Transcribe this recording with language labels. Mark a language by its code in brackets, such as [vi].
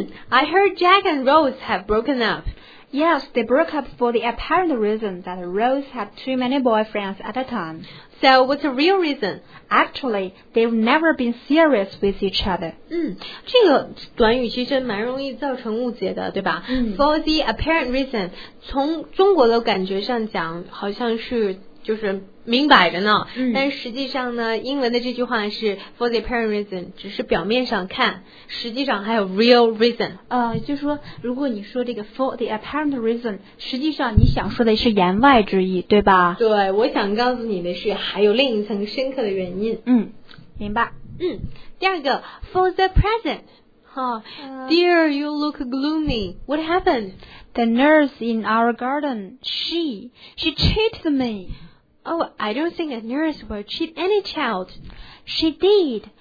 [en] I heard Jack and Rose have broken up. Yes, they broke up for the apparent reason that Rose had too many boyfriends at a time. So, what's the real reason? Actually, they've never been serious with each other. [zh] 这个短语其实蛮容易造成误解的，对吧？ [en] For the apparent reason, [zh] 从中国的感觉上讲，好像是就是明摆着呢、但实际上呢英文的这句话是 [en] for the apparent reason [zh] 只是表面上看实际上还有 [en] real reason [zh] 就是说如果你说这个 [en] for the apparent reason [zh] 实际上你想说的是言外之意对吧对我想告诉你的是还有另一层深刻的原因明白第二个 [en] for the present dear you look gloomy what happened the nurse in our garden she cheated me Oh, I don't think a nurse would cheat any child. She did.